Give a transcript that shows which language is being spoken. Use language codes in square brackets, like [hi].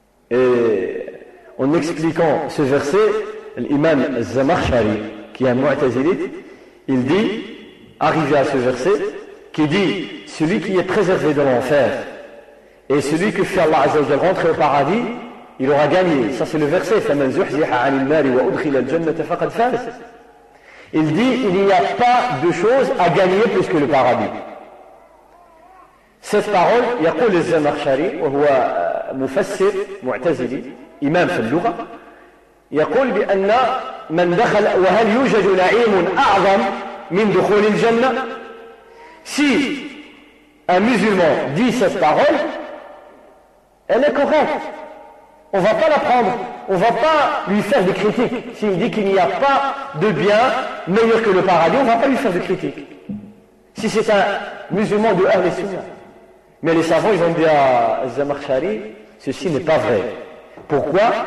[fr] Et en expliquant ce verset, l'imam Zamakhshari, qui est un mu'tazilite, il dit, arrivé à ce verset, qui dit, celui qui est préservé de l'enfer et celui que fait Allah Azza wa Jalla rentrer au paradis, il aura gagné. Ça, c'est le verset. [ar] فَمَنْ زُحْزِحَ عَنِ النَّارِ وَأُدْخِلَ الْجَنَّةَ فَقَدْ فَازَ. [fr] Il dit, il n'y a pas de chose à gagner plus que le paradis. Cette parole, [ar] يقول الزمخشري وهو مفسر معتزلي إمام في اللغة, يقول بأن من دخل وهل يوجد نعيم أعظم من دخول الجنة. [fr] Si un musulman dit cette parole, elle est correcte. On ne va pas l'apprendre, on ne va pas lui faire des critiques. S'il dit qu'il n'y a pas de bien meilleur que le paradis, on ne va pas lui faire des critiques. Si c'est un musulman de Ahl al-Sunnah. Mais les savants, ils ont dit à Zamakhshari, ceci n'est pas vrai. Pourquoi?